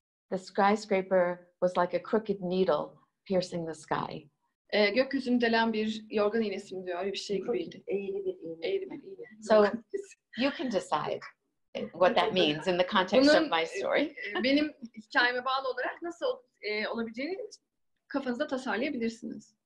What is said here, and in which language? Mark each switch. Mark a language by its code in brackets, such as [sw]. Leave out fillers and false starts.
[en] the skyscraper was like a crooked needle piercing the sky. [tr] Gökyüzünü delen bir yorgan iğnesi diyor, öyle bir şey gibiydi. Eğri bir iğne. [en] So you can decide what that means in the context [tr] bunun, [en] of my story. [tr] Benim hikayeme bağlı olarak nasıl olabileceğini kafanızda tasarlayabilirsiniz.